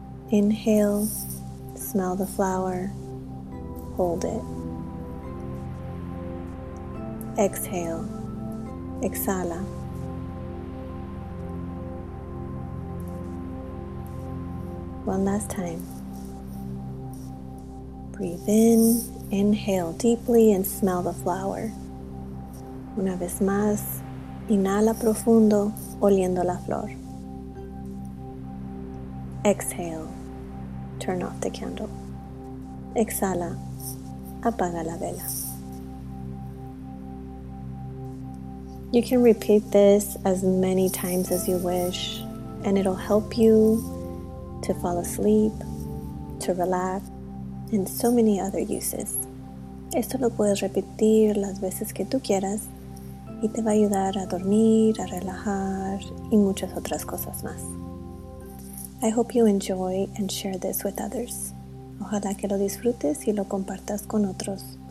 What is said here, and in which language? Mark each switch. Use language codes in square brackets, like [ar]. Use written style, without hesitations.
[en] Inhale, smell the flower, hold it. Exhale, [es] exhala. [en] One last time. Breathe in, inhale deeply and smell the flower. [es] Una vez más, inhala profundo, oliendo la flor. [en] Exhale, turn off the candle. [es] Exhala, apaga la vela. [en] You can repeat this as many times as you wish, and it'll help you to fall asleep, to relax, and so many other uses. [es] Esto lo puedes repetir las veces que tú quieras, y te va a ayudar a dormir, a relajar, y muchas otras cosas más. [en] I hope you enjoy and share this with others. [es] Ojalá que lo disfrutes y lo compartas con otros.